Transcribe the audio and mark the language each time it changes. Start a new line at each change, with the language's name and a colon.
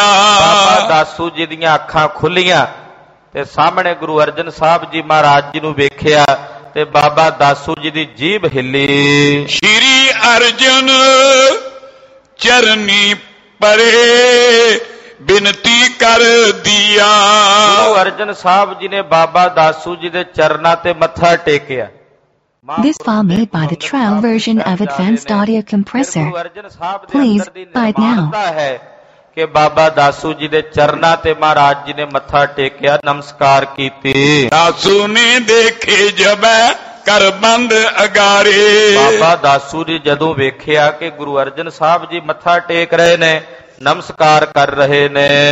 Punjabi: ਬਾਬਾ ਦਾਸੂ ਜੀ ਦੀਆਂ ਅੱਖਾਂ ਖੁੱਲੀਆਂ ਤੇ ਸਾਹਮਣੇ ਗੁਰੂ ਅਰਜਨ ਸਾਹਿਬ ਜੀ ਮਹਾਰਾਜ ਜੀ ਨੂੰ ਵੇਖਿਆ ਤੇ ਬਾਬਾ ਦਾਸੂ ਜੀ ਦੀ ਜੀਭ ਹਿੱਲੀ। ਸ਼੍ਰੀ ਅਰਜਨ ਚਰਨੀ ਪਰੇ ਬਿਨਤੀ ਕਰ ਦੀਆ। ਗੁਰੂ ਅਰਜਨ ਸਾਹਿਬ ਜੀ ਨੇ ਬਾਬਾ ਦਾਸੂ ਜੀ ਦੇ ਚਰਨਾਂ ਤੇ ਮੱਥਾ ਟੇਕਿਆ।
English: This file made by the trial version of advanced audio compressor. Please buy it now.
Punjabi: ਕਿ ਬਾਬਾ ਦਾਸੂ ਜੀ ਦੇ ਚਰਨਾਂ ਤੇ ਮਹਾਰਾਜ ਜੀ ਨੇ ਮੱਥਾ ਟੇਕਿਆ, ਨਮਸਕਾਰ ਕੀਤੀ। ਦਾਸੂ ਨੇ ਦੇਖੇ ਜਬੈ ਕਰ ਬੰਦ ਅਗਾਰੇ। ਬਾਬਾ ਦਾਸੂ ਜੀ ਜਦੋਂ ਵੇਖਿਆ ਕਿ ਗੁਰੂ ਅਰਜਨ ਸਾਹਿਬ ਜੀ ਮੱਥਾ ਟੇਕ ਰਹੇ ਨੇ, ਨਮਸਕਾਰ ਕਰ ਰਹੇ ਨੇ।